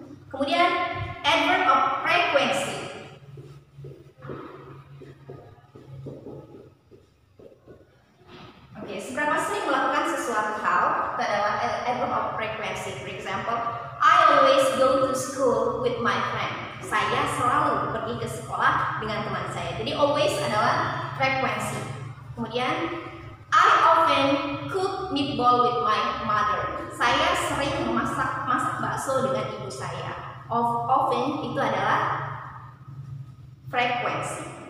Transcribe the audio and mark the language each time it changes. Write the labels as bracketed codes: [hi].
[id] Kemudian adverb of frequency. Oke, seberapa sering melakukan sesuatu hal itu adalah adverb of frequency. [en] For example, I always go to school with my friend. [id] Saya selalu pergi ke sekolah dengan teman saya. Jadi always adalah frequency. Kemudian [en] I often cook meatball with my mother. [id] Saya sering masak bakso dengan ibu saya. Of often itu adalah frequency.